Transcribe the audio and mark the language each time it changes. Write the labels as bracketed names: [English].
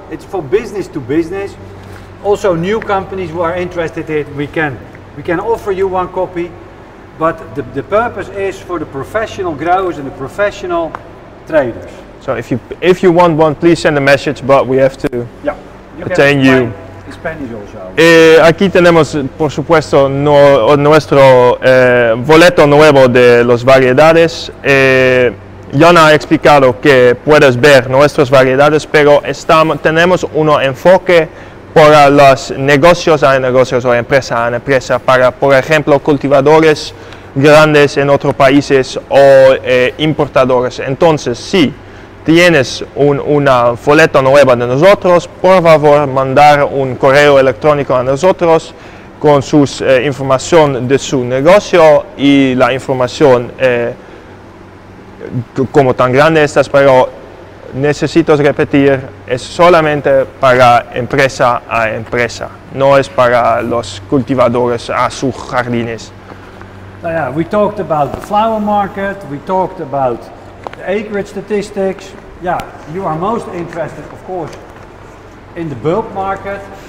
[English] It's for business to business. Also, new companies who are interested in it, we can offer you one copy. But the purpose is for the professional growers and the professional traders. So if you want one, please send a message, but we have to attend you. [Spanish] Aquí tenemos, por supuesto, nuestro boleto nuevo de las variedades. Jan ha explicado que puedes ver nuestras variedades, pero tenemos un enfoque para los negocios o empresa a empresa, para, por ejemplo, cultivadores grandes en otros países o importadores. Entonces, sí. Tienes una folleto nueva de nosotros, por favor mandar un correo electrónico a nosotros con sus información de su negocio y la información como tan grande estas, pero necesito repetir, es solamente para empresa a empresa, no es para los cultivadores a sus jardines. [English] We talked about the flower market, we talked about the acreage statistics. Yeah, you are most interested, of course, in the bulb market.